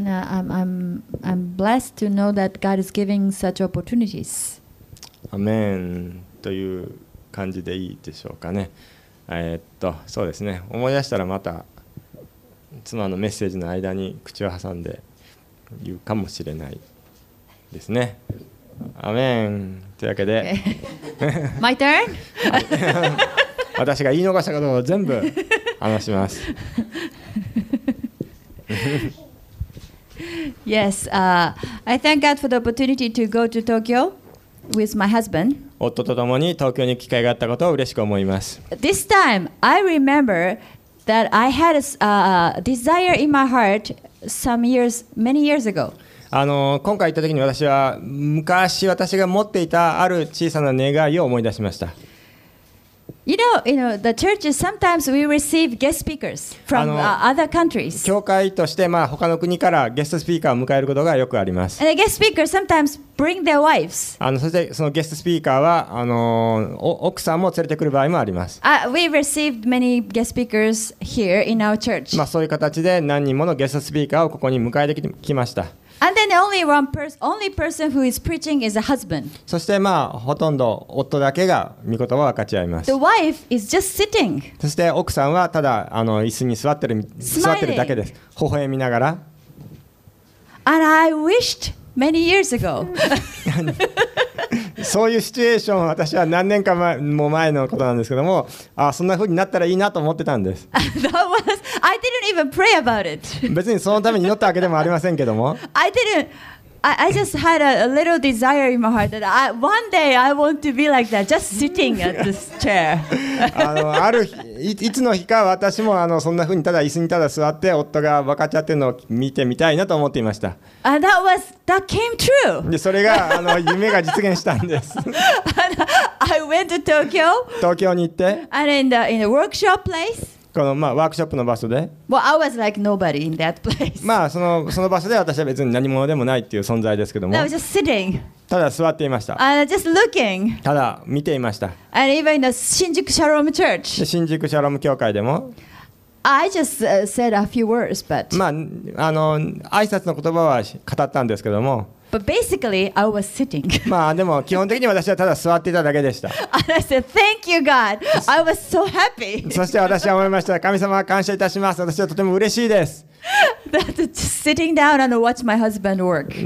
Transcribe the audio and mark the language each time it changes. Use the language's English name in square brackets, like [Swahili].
[English] And I'm blessed to know that God is giving such opportunities. [Japanese] アメンという感じでいいでしょうかね。そうですね。思い出したらまた妻のメッセージの間に口を挟んで言うかもしれないですね。アメンというわけで、 [English] okay. My turn? [Japanese] 私が言い逃したことを全部話します。 [English] Yes, I thank God for the opportunity to go to Tokyo. With my husband. [Japanese] 夫と共に東京に行く機会があったことを嬉しく思います。 [English] This time, I remember that I had a desire in my heart some years, many years ago. [Japanese] 今回行った時に私は昔私が持っていたある小さな願いを思い出しました。 [English] You know, the churches sometimes we receive guest speakers from other countries. [Japanese] 教会として、まあ、他の国からゲストスピーカーを迎えることがよくあります。 [English] And the guest speakers sometimes bring their wives. [Japanese] そしてそのゲストスピーカーは奥さんも連れてくる場合もあります。 [English] We received many guest speakers here in our church. [Japanese] まあ、そういう形で何人ものゲストスピーカーをここに迎えてきました。 [English] And then the only one only person who is preaching is a husband. [Japanese] そして、まあ、ほとんど夫だけが御言葉を分かち合います。 [English] The wife is just sitting. [Japanese] そして奥さんはただ椅子に座ってるだけです。微笑みながら。 [English] And I wished many years ago. [Japanese] そういうシチュエーションは私は何年か前のことなんですけども、そんな風になったらいいなと思ってたんです。 [English] That was, I didn't even pray about it. [Japanese] 別にそのために祈ったわけでもありませんけども。 [English] I just had a little desire in my heart that one day I want to be like that, just sitting at this chair. [Japanese] ある日、いつの日か私もそんな風にただ椅子にただ座って夫が分かち合ってるのを見てみたいなと思っていました。 [English] And that came true. [Japanese] で、それが夢が実現したんです。 [English] I went to Tokyo. [Japanese] 東京に行って。 [English] And in the workshop place. [Japanese] このまあワークショップの場所で、 [English] well, I was like nobody in that place. [Japanese] まあその場所で私は別に何者でもないっていう存在ですけども、 [English] I was just sitting. [Japanese] ただ座っていました。 [English] And just looking. [Japanese] ただ見ていました。 [English] And even in the 新宿シャローム church. [Japanese] 新宿シャローム教会でも、 [English] I just said a few words, but [Japanese] まあ挨拶の言葉は語ったんですけども、 [English] but basically I was sitting. [Japanese] まあでも基本的に私はただ座っていただけでした。 [English] And I said thank you God, I was so happy. [Japanese] そして私は思いました。神様感謝いたします。私はとても嬉しいです。 [English] That sitting down and watch my husband work.